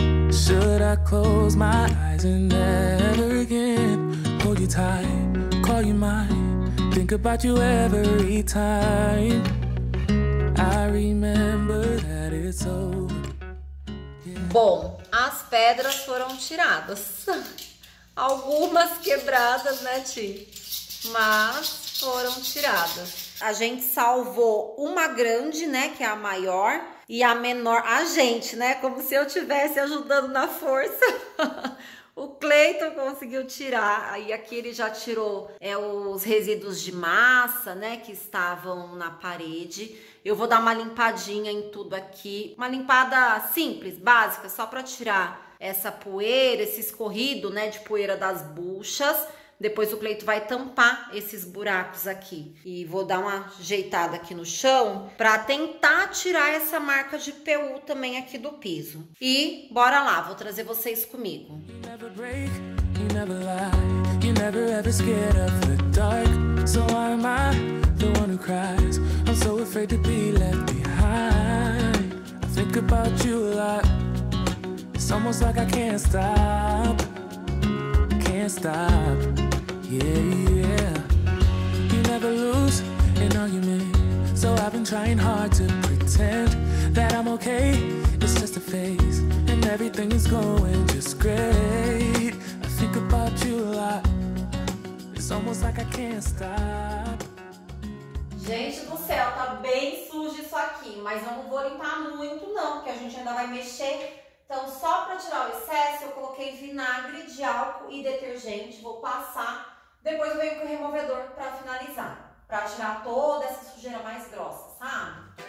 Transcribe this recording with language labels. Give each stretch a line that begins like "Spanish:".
English: Should I close my eyes and never again hold you tight, call you mine, think about you every time I remember that it's over, yeah.
Portuguese: Bom, as pedras foram tiradas. Algumas quebradas, né, Ti? Mas foram tiradas. A gente salvou uma grande, né, que é a maior. E a menor, a gente, né? Como se eu tivesse ajudando na força. O Clayton conseguiu tirar. Aí aqui ele já tirou os resíduos de massa, né? Que estavam na parede. Eu vou dar uma limpadinha em tudo aqui. Uma limpada simples, básica, só para tirar essa poeira, esse escorrido, né? De poeira das buchas. Depois o Cleito vai tampar esses buracos aqui. E vou dar uma ajeitada aqui no chão pra tentar tirar essa marca de PU também aqui do piso. E bora lá, vou trazer vocês comigo.
English: You never break, you never lie, you never ever scared of the dark. So why am I the one who cries? I'm so afraid to be left behind. I think about you a lot. It's almost like I can't stop. Can't stop. Yeah, yeah. You never lose an argument. So I've been trying hard to pretend that I'm okay. It's just a phase, and everything is going just great. I think about you a lot. It's almost like I can't stop.
Portuguese: Gente do céu, tá bem sujo isso aqui, mas eu não vou limpar muito não, porque a gente ainda vai mexer. Então, só pra tirar o excesso, eu coloquei vinagre de álcool e detergente, vou passar. Depois eu venho com o removedor pra finalizar, pra tirar toda essa sujeira mais grossa, sabe?